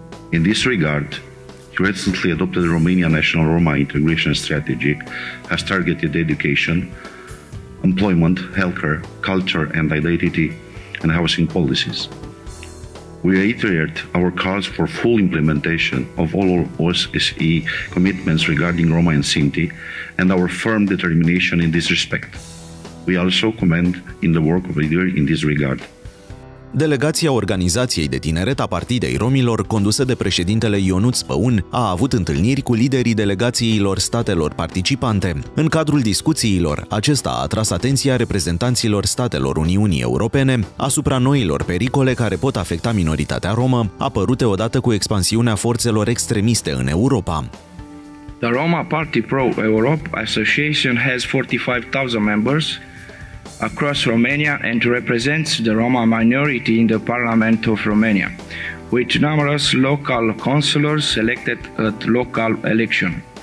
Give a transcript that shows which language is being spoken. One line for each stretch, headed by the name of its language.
English: In this regard, the recently adopted Romania National Roma Integration Strategy has targeted education, employment, healthcare, culture and identity, and housing policies. We reiterate our calls for full implementation of all OSCE commitments regarding Roma and Sinti and our firm determination in this respect. We also commend in the work of leader in this regard.
Romanian: Delegația Organizației de Tineret a Partidei Romilor, condusă de președintele Ionuț Păun, a avut întâlniri cu liderii delegațiilor statelor participante. În cadrul discuțiilor, acesta a atras atenția reprezentanților statelor Uniunii Europene asupra noilor pericole care pot afecta minoritatea romă, apărute odată cu expansiunea forțelor extremiste în Europa.
English: The Roma Party Pro Europe Association has 45,000 members across Romania and represents the Roma minority in the Parliament of Romania, with numerous local councillors elected at local election.